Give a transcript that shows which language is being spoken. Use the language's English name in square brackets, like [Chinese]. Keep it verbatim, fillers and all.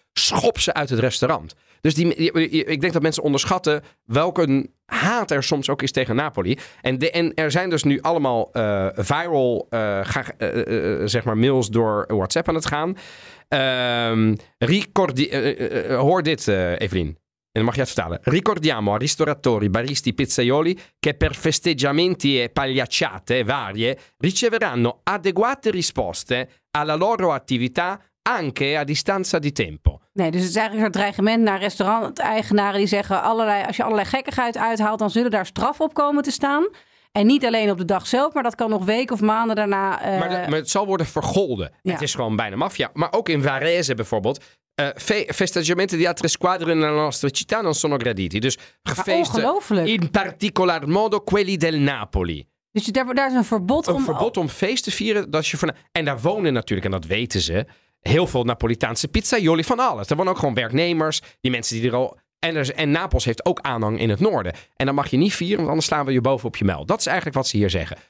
[Dutch] Schop ze uit het restaurant. Dus die, ik denk dat mensen onderschatten welke haat er soms ook is tegen Napoli. En, de, en er zijn dus nu allemaal uh, viral uh, ga, uh, uh, zeg maar mails door WhatsApp aan het gaan. Um, [Italian] ricordi, [Dutch] uh, uh, uh, hoor dit, uh, Evelien. En dan mag je het vertalen. [Italian] Ricordiamo a ristoratori, baristi, pizzaioli che per festeggiamenti e pagliacciate varie riceveranno adeguate risposte alla loro attività anche a distanza di tempo. [Dutch] Nee, dus het is eigenlijk een dreigement naar restauranteigenaren die zeggen... Allerlei, als je allerlei gekkigheid uithaalt, dan zullen daar straf op komen te staan. En niet alleen op de dag zelf, maar dat kan nog weken of maanden daarna... Uh... Maar, de, maar het zal worden vergolden. Ja. Het is gewoon bijna maffia. Maar ook in Varese bijvoorbeeld... [Italian] Uh, fe- festeggiamenti di altre squadre nella nostra città non sono graditi. [Dutch] Dus gefeest [Italian] in particolar modo quelli del Napoli. [Dutch] Dus daar, daar is een verbod een om... Een verbod om feest te vieren. Dat je van... En daar wonen natuurlijk, en dat weten ze, heel veel Napolitaanse pizzaioli van alles. Er wonen ook gewoon werknemers, die mensen die er al... En, er, en Napels heeft ook aanhang in het noorden. En dan mag je niet vieren, want anders slaan we je boven op je muil. Dat is eigenlijk wat ze hier zeggen.